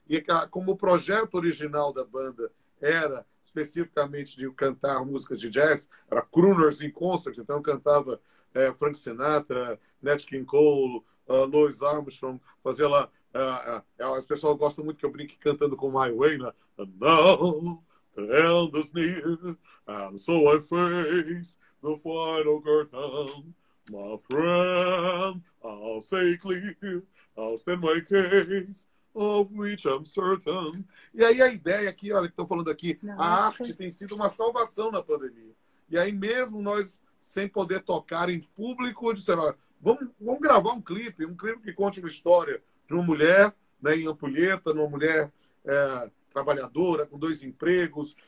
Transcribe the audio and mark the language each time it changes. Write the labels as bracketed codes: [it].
[pt] E como o projeto original da banda era especificamente de cantar músicas de jazz, era Crooners in Concert, então cantava Frank Sinatra, Nat King Cole, Louis Armstrong, fazia lá. As pessoas gostam muito que eu brinque cantando com o My Way, né? [en] Now the end is near, and so I face the final curtain. My friend, I'll say clear, I'll stand my case, of which I'm certain. [pt] E aí a ideia aqui, olha, que estão falando aqui, nossa, a arte tem sido uma salvação na pandemia. E aí mesmo nós, sem poder tocar em público, disseram, vamos gravar um clipe que conte uma história de uma mulher, né, em Ampulheta, uma mulher trabalhadora, com 2 empregos.